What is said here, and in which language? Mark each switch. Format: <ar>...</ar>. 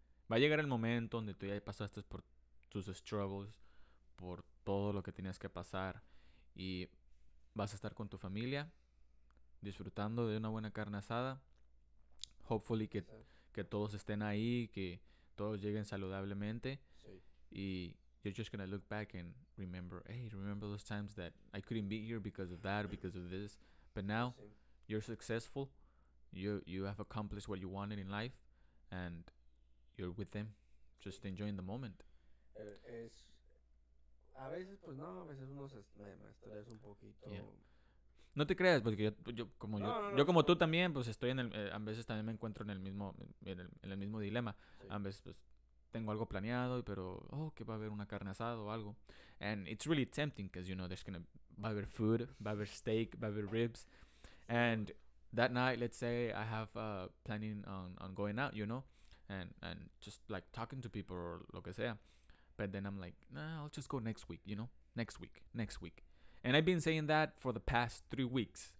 <es>Va a llegar el momento donde tú ya pasaste por tus struggles, por todo lo que tenías que pasar, y vas a estar con tu familia disfrutando de una buena carne asada. Hopefully que todos estén ahí, que todos lleguen saludablemente. Sí.</es> <en>Y you're just gonna look back and remember, hey, remember those times that I couldn't be here because of that, because of this. But now, sí, you're successful. You have accomplished what you wanted in life. And you're with them. Just enjoying the moment.</en> <es>A veces, pues no, a veces uno me estresa un poquito.</es> <en>Yeah.</en> <es>No te creas, porque yo, como tú también, pues estoy en el... a veces también me encuentro en el mismo dilema. Sí. A veces, pues, tengo algo planeado, pero, que va a haber una carne asada o algo.</es> <en>And it's really tempting, because, you know,</en> <es>va a haber food, va a haber steak, va a haber ribs.</es> <en>And that night, let's say, I have planning on going out, you know, and just, like, talking to people or</en> <es>lo que sea.</es> <en>But then I'm like, I'll just go next week, you know? Next week. And I've been saying that for the past 3 weeks.</en>